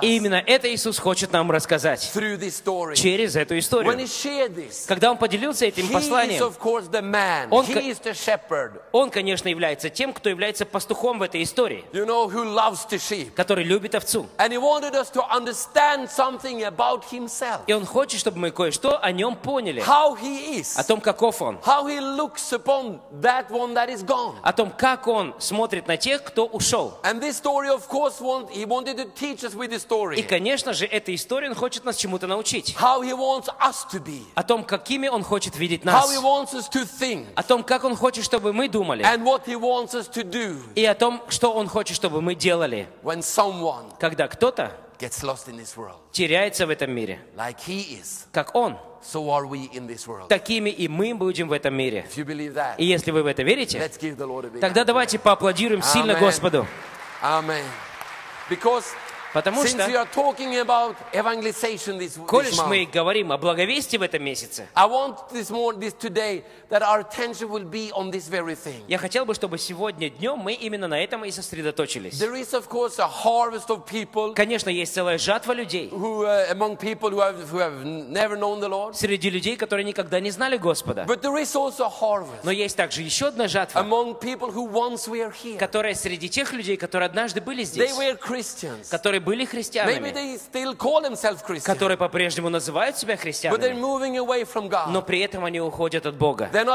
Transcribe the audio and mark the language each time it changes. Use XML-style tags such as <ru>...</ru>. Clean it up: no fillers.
<ru>И именно это Иисус хочет нам рассказать.</ru> <en>Through this story.</en> <ru>Через эту историю.</ru> <en>When he shared this,</en> <ru>когда он поделился этим посланием,</ru> <en>he is, of course, the man. He is the shepherd.</en> <ru>Он, конечно, является тем, кто является пастухом в этой истории,</ru> <en>you know, who loves the sheep.</en> <ru>Который любит овцу.</ru> <en>And he wanted us to understand something about himself.</en> <ru>И он хочет, чтобы мы кое-что о нем поняли.</ru> <en>How he is.</en> <ru>О том, каков он.</ru> <en>How he looks upon that one that is gone.</en> <ru>О том, как он смотрит на тех, кто ушел.</ru> <en>And this story, of course, he wanted to teach us with this story.</en> <ru>И, конечно же, этой истории он хочет нас чему-то научить.</ru> <en>How he wants us to be.</en> <ru>О том, какими он хочет видеть нас.</ru> <en>How he wants us to think.</en> <ru>О том, как он хочет, чтобы мы думали.</ru> <en>And what he wants us to do.</en> <ru>И о том, что Он хочет, чтобы мы делали, когда кто-то</ru> <en>gets lost in this world.</en> <ru>Теряется в этом мире,</ru> <en>like he is,</en> <ru>как Он,</ru> <en>so are we in this world.</en> <ru>Такими и мы будем в этом мире.</ru> <en>If you believe that,</en> <ru>и если вы в это верите,</ru> <en>let's give the Lord a big</en> <ru>тогда</ru> <en>answer.</en> <ru>Давайте поаплодируем Amen. Сильно Господу.</ru> <en>Amen. Because,</en> <ru>потому</ru> <en>since</en> <ru>что,</ru> <en>we are talking about evangelization this,</en> <ru>коль</ru> <en>this month,</en> <ru>мы говорим о благовестии в этом месяце,</ru> <en>I want this morning, this today, that our attention will be on this very thing.</en> <ru>Я хотел бы, чтобы сегодня днем мы именно на этом и сосредоточились.</ru> <en>There is, of course, a harvest of people.</en> <ru>Конечно, есть целая жатва людей.</ru> <en>Who, among people who have never known the Lord.</en> <ru>Среди людей, которые никогда не знали Господа.</ru> <en>But there is also a harvest.</en> <ru>Но есть также еще одна жатва.</ru> <en>Among people who once were here.</en> <ru>Которая среди тех людей, которые однажды были здесь.</ru> <en>They were Christians.</en> <ru>Которые которые были христианами, которые по-прежнему называют себя христианами, но при этом они уходят от Бога.</ru>